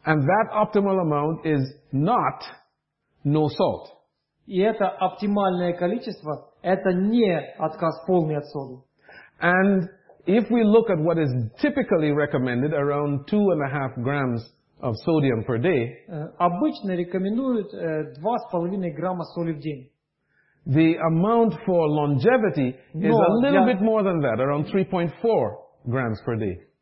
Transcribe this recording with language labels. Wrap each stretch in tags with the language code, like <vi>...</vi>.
<en>And that optimal amount is not no salt.</en> <ru>И это оптимальное количество, это не отказ полный от соли.</ru> <en>And if we look at what is typically recommended, around 2.5 grams of sodium per day,</en> <ru>обычно рекомендуют 2.5 грамма соли в день.</ru> <en>The amount for longevity is a little bit more than that, around 3.4 grams per day.</en>